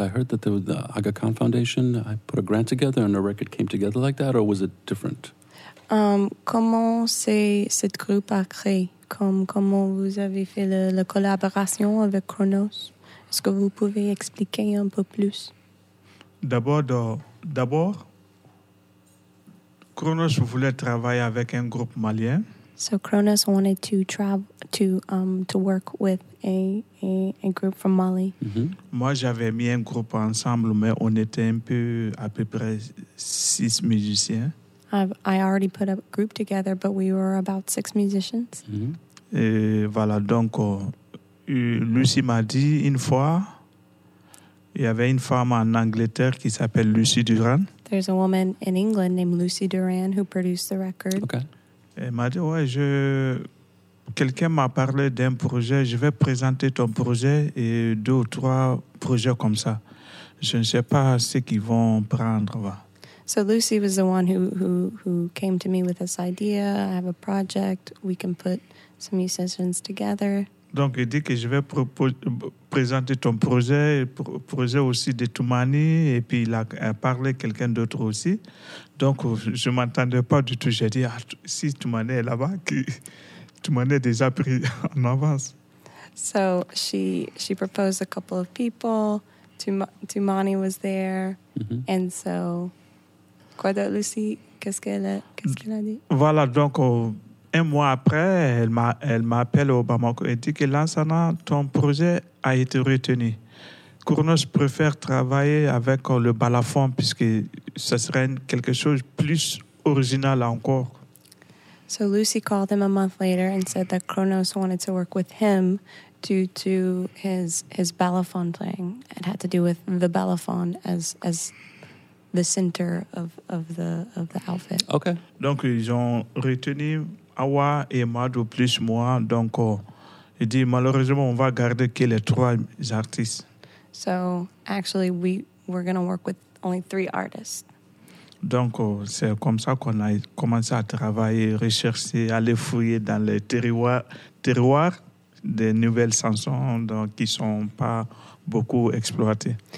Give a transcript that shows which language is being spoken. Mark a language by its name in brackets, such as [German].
[English] I heard that there was the Aga Khan Foundation. I put a grant together and a record came together like that, or was it different? [French] Comment c'est cette groupe a créé? Comment vous avez fait la collaboration avec Kronos? Est-ce que vous pouvez expliquer un peu plus? D'abord, Kronos voulait travailler avec un groupe malien. [English] So Kronos wanted to travel to work with a group from Mali. Mm-hmm. [French] Moi, j'avais mis un groupe ensemble, mais on était à peu près 6 musiciens. [English] I already put a group together, but we were about 6 musicians. Mm-hmm. [French] Et voilà, donc Lucie m'a dit une fois, il y avait une femme en Angleterre qui s'appelle Lucie Duran. [English] There's a woman in England named Lucie Duran who produced the record. Okay. [French] Elle m'a dit, ouais, quelqu'un m'a parlé d'un projet, je vais présenter ton projet et 2 ou 3 projets comme ça. Je ne sais pas ce qu'ils vont prendre. [English] So Lucy was the one who came to me with this idea. I have a project, we can put some musicians together. [French] Donc elle dit que je vais présenter ton projet, projet aussi de Toumani, et puis il a parlé quelqu'un d'autre aussi. Donc je ne m'entendais pas du tout. J'ai dit, ah, si Toumani est là-bas, Toumani est déjà pris en avance. [English] So she proposed a couple of people, Toumani was there, mm-hmm. and so, [French] quoi d'autre, Lucy, qu'est-ce qu'elle a dit? Voilà, donc... Un mois après, elle m'a appelé au Bamako et dit que Lansana, ton projet a été retenu. Kronos préfère travailler avec le balafon puisque ça serait quelque chose de plus original encore. [English] So Lucy called him a month later and said that Kronos wanted to work with him due to his balafon playing. It had to do with the balafon as the center of the outfit. Okay. [French] Donc ils ont retenu Awa et Madou plus moi, donc il dit malheureusement on va garder que les 3 artistes. [English] So actually we're gonna work with only 3 artists. [French] Donc c'est comme ça qu'on a commencé à travailler, rechercher, aller fouiller dans les terroirs des nouvelles chansons donc qui sont pas beaucoup exploitées.